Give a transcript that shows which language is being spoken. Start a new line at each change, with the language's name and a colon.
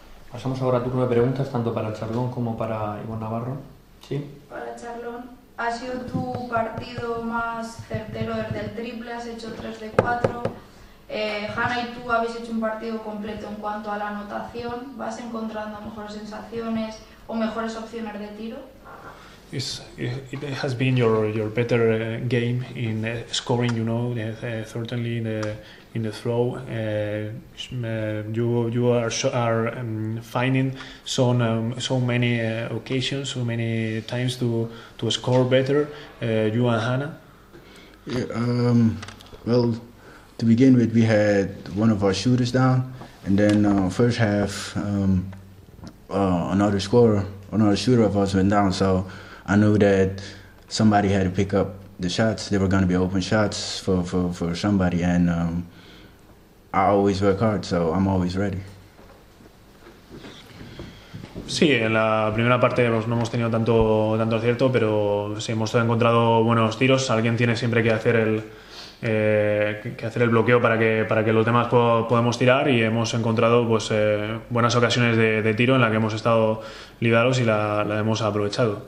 Spanish: Pasamos ahora a turno de preguntas, tanto para Charlón como para Ivor Navarro. ¿Sí? Para Charlón, ¿ha sido tu partido más certero desde el triple? Has hecho 3 de 4. Hanna y tú habéis hecho un partido completo en cuanto a la anotación. ¿Vas encontrando mejores sensaciones o mejores opciones de tiro?
English: It has been your better game in scoring, you know, certainly in the throw. You are finding so many occasions, so many times to score better, you and Hanna. Well, to begin with, we had one of our shooters down, and then first half another shooter of us went down, so I knew that somebody had to pick up the shots. There were going to be open shots for somebody, and I always work hard, so I'm always ready.
Spanish: Sí, en la primera parte pues, no hemos tenido tanto acierto, pero sí hemos encontrado buenos tiros. Alguien tiene siempre que hacer el bloqueo para que los demás podamos tirar, y hemos encontrado pues buenas ocasiones de tiro en la que hemos estado liberados y la hemos aprovechado.